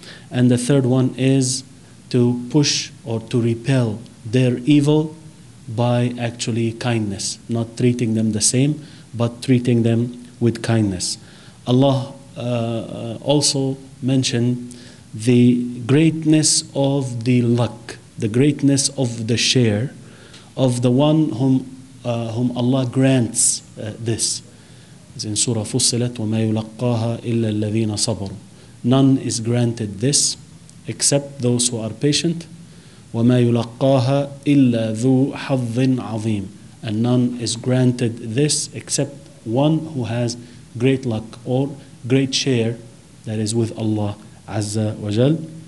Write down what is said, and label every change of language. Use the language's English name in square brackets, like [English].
[English] And the third one is to push or to repel their evil by actually kindness, not treating them the same, but treating them with kindness. Allah also mentioned the greatness of the luck, the greatness of the share of the one whom Allah grants this. As in Surah Fussilat, [Arabic] وَمَا يُلَقَّاهَا إِلَّا الَّذِينَ صَبَرُوا. [English] None is granted this except those who are patient. [Arabic] وَمَا يُلَقَّاهَا إِلَّا ذُو حَظٍ عَظِيمٍ. [English] And none is granted this except one who has great luck or great share, that is with Allah Azza wa Jal.